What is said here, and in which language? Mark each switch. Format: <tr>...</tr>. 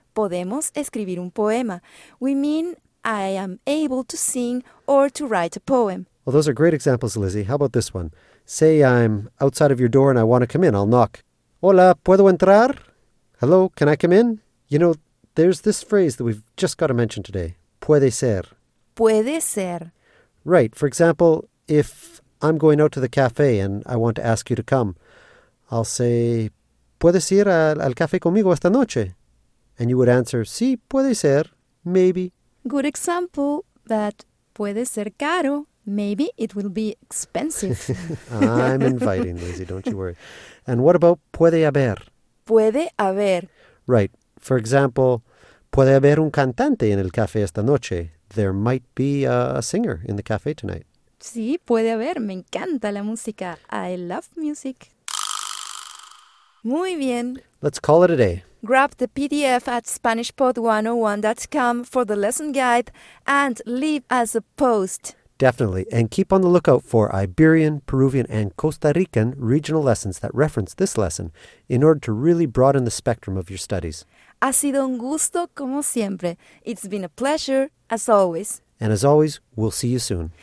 <es>Podemos escribir un poema.</es> <en>We mean I am able to sing or to write a poem. Well, those are great examples, Lizzie. How about this one? Say I'm outside of your door and I want to come in. I'll knock.</en> <es>Hola, ¿puedo entrar?</es> <en>Hello, can I come in? You know, there's this phrase that we've just got to mention today.</en> <es>Puede ser. Puede ser.</es> <en>Right. For example, if I'm going out to the cafe and I want to ask you to come, I'll say,</en> <es>¿puedes ir al café conmigo esta noche?</es> <en>And you would answer,</en> <es>sí, puede ser,</es> <en>maybe. Good example, but</en> <es>puede ser caro.</es> <en>Maybe it will be expensive. I'm inviting, Lizzie, don't you worry. And what about</en> <es>puede haber? Puede haber.</es> <en>Right.</en> <es>For example, puede haber un cantante en el café esta noche.</es> <en>There might be a singer in the café tonight.</en> <es>Sí, puede haber. Me encanta la música.</es> <en>I love music.</en> <es>Muy bien.</es> <en>Let's call it a day. Grab the PDF at SpanishPod101.com for the lesson guide and leave us a post. Definitely. And keep on the lookout for Iberian, Peruvian, and Costa Rican regional lessons that reference this lesson in order to really broaden the spectrum of your studies.</en> <es>Ha sido un gusto como siempre.</es> <en>It's been a pleasure, as always. And as always, we'll see you soon.</en>